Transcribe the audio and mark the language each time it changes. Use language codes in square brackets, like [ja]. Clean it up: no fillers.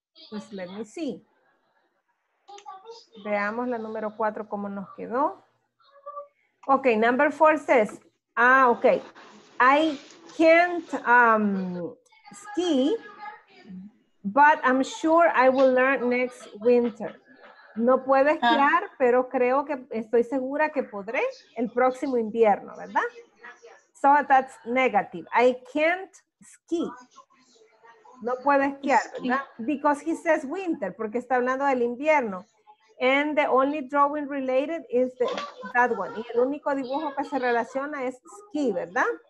[en] Just let me see. [es] Veamos la número 4, cómo nos quedó. [en] Okay, number four says, ah, okay. I can't ski, but I'm sure I will learn next winter. [es] No puedo esquiar, pero creo que estoy segura que podré el próximo invierno, ¿verdad? [en] So that's negative. I can't ski. [es] No puedo esquiar, ¿verdad? [en] Because he says winter, [es] porque está hablando del invierno. [en] And the only drawing related is the, that one. [es] Y el único dibujo que se relaciona es ski, ¿verdad?